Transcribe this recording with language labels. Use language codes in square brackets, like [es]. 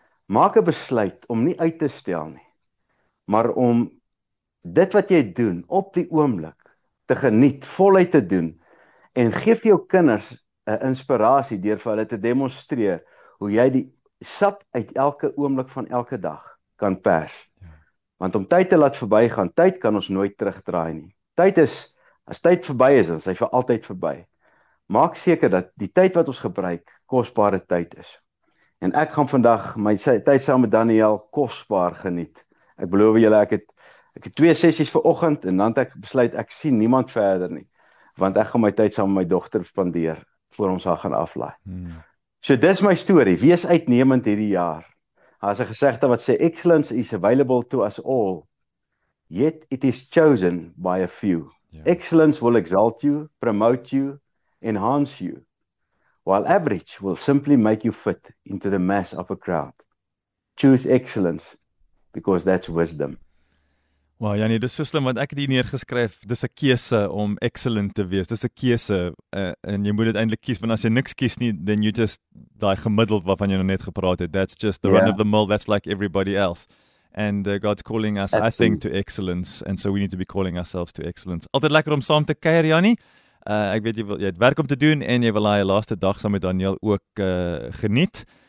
[af] Maak 'n besluit om nie uit te stel nie, maar om dit wat jy doen op die oomblik te geniet, voluit te doen en gee vir jou kinders 'n inspirasie deur vir hulle te demonstreer hoe jy die sap uit elke oomblik van elke dag kan pers. Want om tyd te laat verbygaan, tyd kan ons nooit terugdraai nie. Tyd is, as tyd verby is, dan is hy vir altyd verby. Maak seker dat die tyd wat ons gebruik kosbare tyd is. En ek gaan vandag my tyd saam met Daniel kosbaar geniet. Ek beloof julle ek het 2 sessies vanoggend en dan het ek besluit ek sien niemand verder nie want ek gaan my tyd saam met my dogter spandeer voor ons haar gaan aflaai. So dis my storie. Wees uitnemend hierdie jaar. Daar's 'n gesegde wat sê [en] excellence is available to us all, yet it is chosen by a few. Yeah. Excellence will exalt you, promote you, enhance you, while average will simply make you fit into the mass of a crowd. Choose excellence, because that's wisdom. [af] Well, Jannie, dis so slim, want ek het hier neergeskryf, dis 'n keuse om excellent te wees, dis 'n keuse, en jy moet dit eintlik kies, want as jy niks kies nie, [en] then you just, [af] die gemiddeld waarvan jy nou net gepraat het, [en] that's just the run of the mill, that's like everybody else. And God's calling us, absolutely, I think, to excellence, and so we need to be calling ourselves to excellence. [af] Altyd lekker om saam te kuier, Jannie. Ek weet jy het werk om te doen en jy wil daai laaste dag saam met Daniel ook geniet.